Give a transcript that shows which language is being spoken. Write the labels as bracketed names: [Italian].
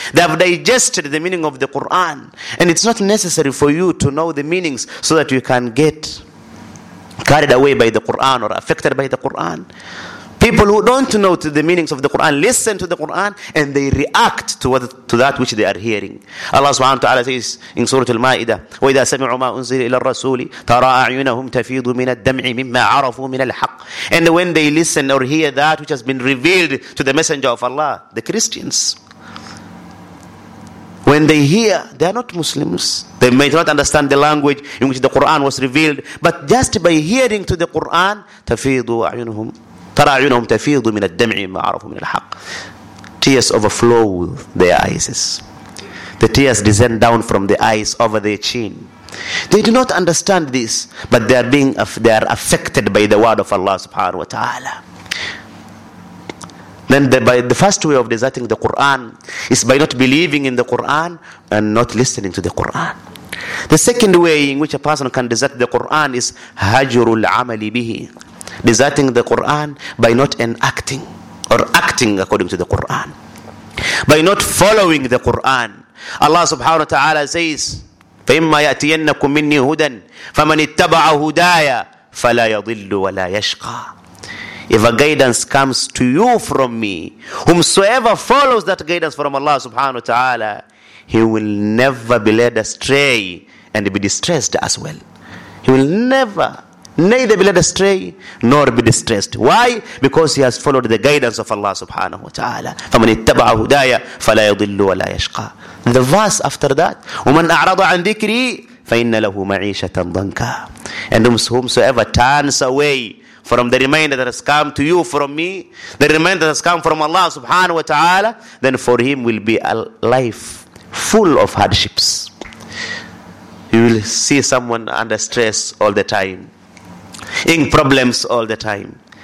[English] They have digested the meaning of the Quran. And it's not necessary for you to know the meanings so that you can get carried away by the Quran or affected by the Quran. People who don't know to the meanings of the Quran listen to the Quran and they react to what, to that which they are hearing. [Arabic] Allah subhanahu wa ta'ala says in Surah Al-Ma'idah, وَإِذَا سَمِعُوا مَا أُنزِلَ إِلَى الرَّسُولِ تَرَى أَعْيُنَهُمْ تَفِيضُ مِنَ الدَّمْعِ مِمَّا عَرَفُوا مِنَ الْحَقِّ. [English] And when they listen or hear that which has been revealed to the Messenger of Allah, the Christians, when they hear, they are not Muslims. They may not understand the language in which the Quran was revealed, but just by hearing to the Quran, [Arabic] تَفِيضُ أَعْيُنُهُمْ تَرَى عُيُنُهُمْ تَفِيضُ مِنَ الدَّمْعِ مَا عَرَفُوا مِنَ الْحَقِّ. [English] Tears overflow their eyes. The tears descend down from the eyes over their chin. They do not understand this, but they are affected by the word of Allah subhanahu wa ta'ala. Then the first way of deserting the Quran is by not believing in the Quran and not listening to the Quran. The second way in which a person can desert the Quran is hajrul amali bihi, deserting the Quran by not enacting or acting according to the Quran, by not following the Quran. [Arabic] Allah subhanahu wa ta'ala says, فَإِمَّا يَأْتِيَنَّكُمْ مِنِّي هُدًى فَمَنِ اتَّبَعَ هُدَايَ فَلَا يَضِلُّ وَلَا يَشْقَى. [English] If a guidance comes to you from me, whomsoever follows that guidance from Allah subhanahu wa ta'ala, he will never be led astray and be distressed as well. He will never, neither be led astray nor be distressed. Why? Because he has followed the guidance of Allah subhanahu wa ta'ala. [Arabic] فَمَنِ اتَّبَعَ هُدَايَ فَلَا يَضِلُّ وَلَا يَشْقَى. [English] The verse after that, [Arabic] وَمَنْ أَعْرَضَ عَنْ ذِكْرِي فَإِنَّ لَهُ مَعِيشَةً ضَنْكَى. [English] And whomsoever turns away from the reminder that has come to you from me, the reminder that has come from Allah subhanahu wa ta'ala, then for him will be a life full of hardships. You will see someone under stress all the time, in problems all the time.